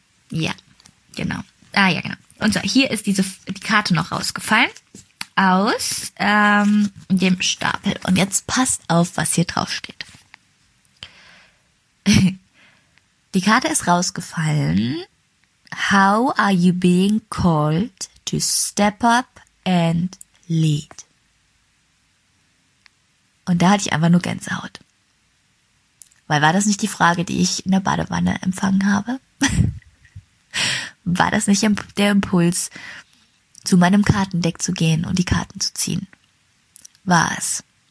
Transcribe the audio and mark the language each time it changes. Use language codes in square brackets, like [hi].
[de] Ja, genau. Ah ja, genau. Und so, hier ist die Karte noch rausgefallen aus dem Stapel. Und jetzt passt auf, was hier draufsteht. Die Karte ist rausgefallen. [en] How are you being called to step up and lead? [de] Und da hatte ich einfach nur Gänsehaut. Weil war das nicht die Frage, die ich in der Badewanne empfangen habe? War das nicht der Impuls, zu meinem Kartendeck zu gehen und die Karten zu ziehen? War es.